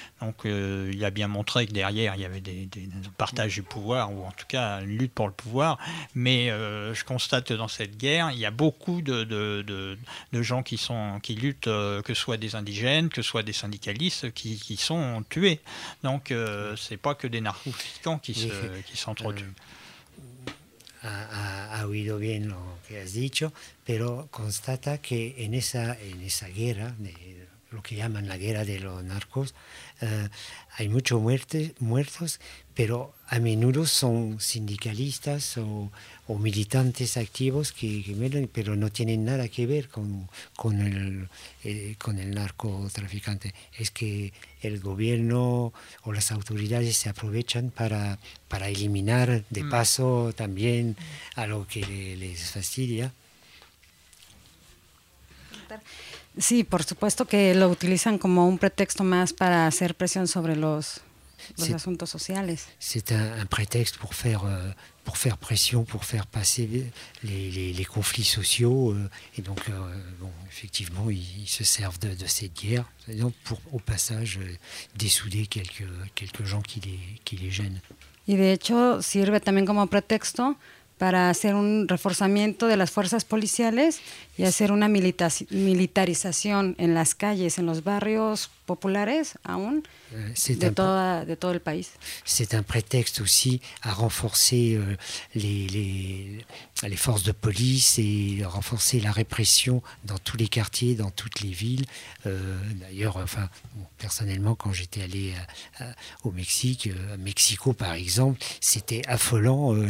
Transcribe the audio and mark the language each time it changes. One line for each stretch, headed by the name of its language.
French: Donc il a bien montré que derrière, il y avait des partages du pouvoir, ou en tout cas une lutte pour le pouvoir. Mais je constate que dans cette guerre, il y a beaucoup de gens qui luttent, que ce soit des indigènes, que ce soit des syndicalistes, qui sont tués. Donc ce n'est pas que des narcotrafiquants qui s'entretuent.
Spanish: Ha oído bien lo que has dicho, pero constata que en esa guerra, lo que llaman la guerra de los narcos, hay muchos muertos, pero a menudo son sindicalistas o militantes activos que pero no tienen nada que ver con el narcotraficante. Es que el gobierno o las autoridades se aprovechan para eliminar de paso también a lo que les fastidia. Sí, por supuesto que lo utilizan como un pretexto más para hacer presión sobre los asuntos sociales.
French: C'est un prétexte pour faire pression, pour faire passer les conflits sociaux, et donc bon, effectivement, ils se servent de cette guerre, donc pour au passage dessouder quelques gens qui les gênent.
Spanish: Y de hecho sirve también como pretexto para hacer un reforzamiento de las fuerzas policiales y hacer una militarización en las calles, en los barrios populares, aún de todo el país.
French: C'est un prétexte aussi à renforcer les forces de police et renforcer la répression dans tous les quartiers, dans toutes les villes. D'ailleurs, enfin, bon, personnellement, quand j'étais allé au Mexique, à Mexico par exemple, c'était affolant.